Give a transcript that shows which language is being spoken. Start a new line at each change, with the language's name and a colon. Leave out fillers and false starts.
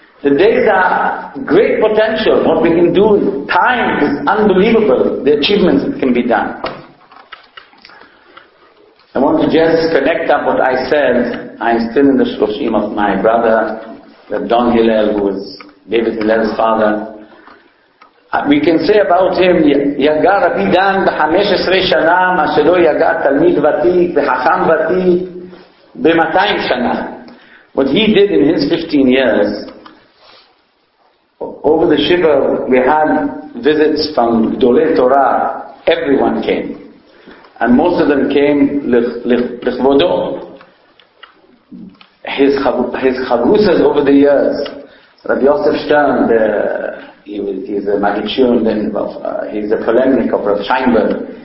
English: The days are great potential, what we can do, time is unbelievable, the achievements can be done. I want to just connect up what I said. I am still in the Shloshim of my brother, Don Hillel, who is David Hillel's father.
Hebrew: We can say about him, Yaga Rabbi Dan ב-15 שנה, מה שלא יגע תלמיד ותיק, וחכם ותיק, ב-200 שנה.
English: What he did in his 15 years, over the Shiva, we had visits from Gdolei Torah, everyone came. And most of them came לכבודו. His chavrusas over the years, Rabbi Yosef Stern, he's a magician, he's a polemic of Rav Scheinberg.